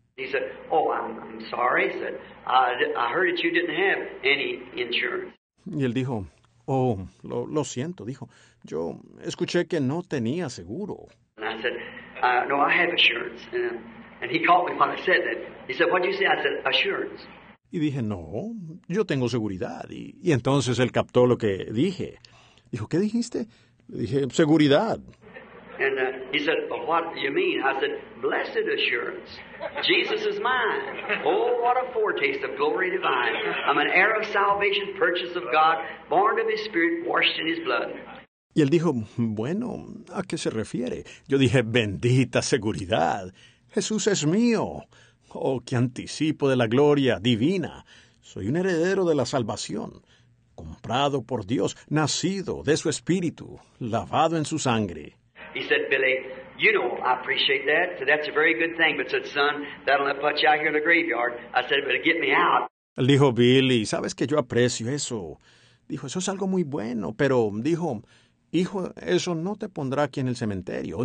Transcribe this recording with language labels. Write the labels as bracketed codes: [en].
[en] He said, oh, I'm sorry, he said, I heard that you didn't have any insurance. [es] Y él dijo, oh, lo siento, dijo, yo escuché que no tenía seguro. [en] And I said, no, I have assurance. And he caught me when I said that. He said, what did you say? I said, assurance. [es] Y dije, no, yo tengo seguridad. Y entonces él captó lo que dije. Dijo, ¿qué dijiste? Le dije, seguridad. [en] And he said, well, what do you mean? I said, blessed assurance. Jesus is mine. Oh, what a foretaste of glory divine. I'm an heir of salvation, purchase of God, born of his spirit, washed in his blood. [es] Y él dijo, bueno, ¿a qué se refiere? Yo dije, bendita seguridad. Jesús es mío. Oh, qué anticipo de la gloria divina. Soy un heredero de la salvación, comprado por Dios, nacido de su espíritu, lavado en su sangre. [en] He said, Billy, you know, I appreciate that. So that's a very good thing. But said, son, that'll not put you out here in the graveyard. I said, but get me out. [es] Él dijo, Billy, ¿sabes que yo aprecio eso? Dijo, eso es algo muy bueno, pero dijo, hijo, eso no te pondrá aquí en el cementerio.